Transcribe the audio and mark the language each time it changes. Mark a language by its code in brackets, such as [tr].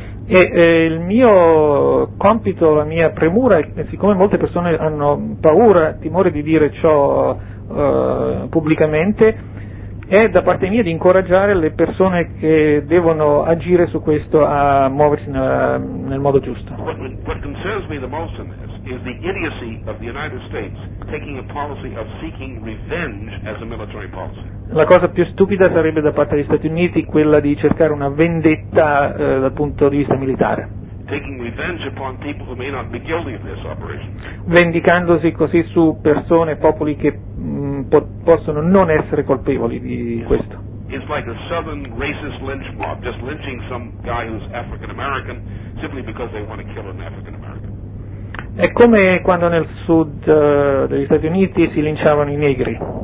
[it] E il mio compito, la mia premura, siccome molte persone hanno paura, timore di dire ciò pubblicamente, è da parte mia di incoraggiare le persone che devono agire su questo a muoversi nel modo giusto. [en] What concerns me the most in this is the idiocy of the United States taking a policy of seeking revenge as a military policy. [it] La cosa più stupida sarebbe da parte degli Stati Uniti quella di cercare una vendetta dal punto di vista militare. [en] Taking revenge upon people who may not be guilty of this operation. [it] Vendicandosi così su persone, popoli che possono non essere colpevoli di questo. [en] It's like a southern racist lynch mob, just lynching some guy who's African American simply because they want to kill an African American. [it] È come quando nel sud degli Stati Uniti si linciavano i negri.